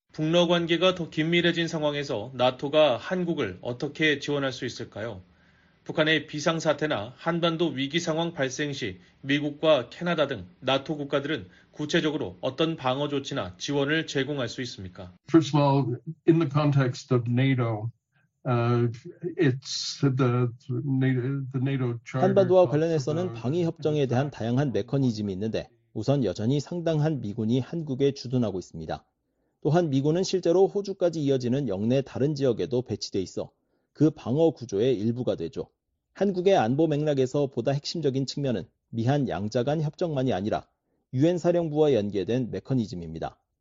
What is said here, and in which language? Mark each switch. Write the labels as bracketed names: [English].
[Korean] 북러 관계가 더 긴밀해진 상황에서 나토가 한국을 어떻게 지원할 수 있을까요? 북한의 비상사태나 한반도 위기 상황 발생 시 미국과 캐나다 등 나토 국가들은 구체적으로 어떤 방어 조치나 지원을 제공할 수 있습니까? [English] First of all, in the context of NATO, it's the NATO charter. [Korean] 한반도와 관련해서는 방위 협정에 대한 다양한 메커니즘이 있는데 우선 여전히 상당한 미군이 한국에 주둔하고 있습니다. 또한 미군은 실제로 호주까지 이어지는 영내 다른 지역에도 배치돼 있어 그 방어 구조의 일부가 되죠. 한국의 안보 맥락에서 보다 핵심적인 측면은 미한 양자 간 협정만이 아니라 유엔 사령부와 연계된 메커니즘입니다.